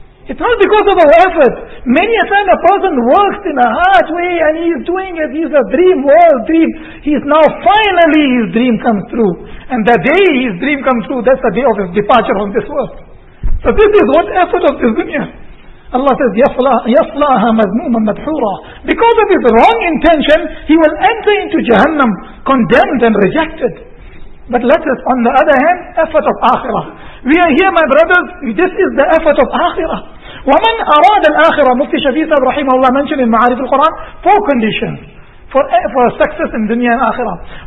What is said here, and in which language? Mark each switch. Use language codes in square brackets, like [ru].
[en] It's not because of our effort. Many a time a person works in a hard way and he's doing it. He's a dream, world dream. He's now finally, his dream comes true. And the day his dream comes true, that's the day of his departure from this world. So this is what effort of this dunya. Allah says, [ar] يَصْلَاهَا مَذْمُومًا مَدْحُورًا. [en] Because of his wrong intention, he will enter into Jahannam, condemned and rejected. But let us, on the other hand, effort of Akhirah. We are here, my brothers, this is the effort of Akhirah. [ar] وَمَنْ أَرَادَ الْآخِرَةِ. [en] Mufti Shafi Sahib Rahimahullah mentioned in Ma'arif al-Quran, 4 conditions for success in dunya and Akhirah.